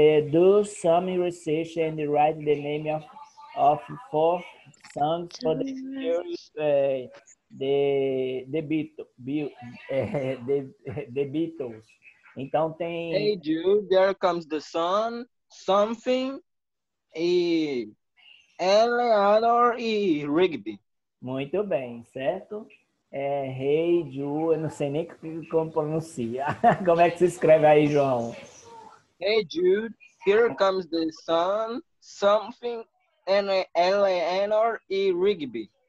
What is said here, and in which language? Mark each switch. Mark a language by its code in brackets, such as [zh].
[en] Do some research and write the name of four songs for the Beatles. [pt] Então tem. [en] Hey Jude, there comes the sun, something e Eleanor e Rigby. [pt] Muito bem, certo? Hey Jude, eu não sei nem como pronuncia. Como é que se escreve aí, João? [en] Hey Jude, here comes the sun, something and Eleanor e Rigby.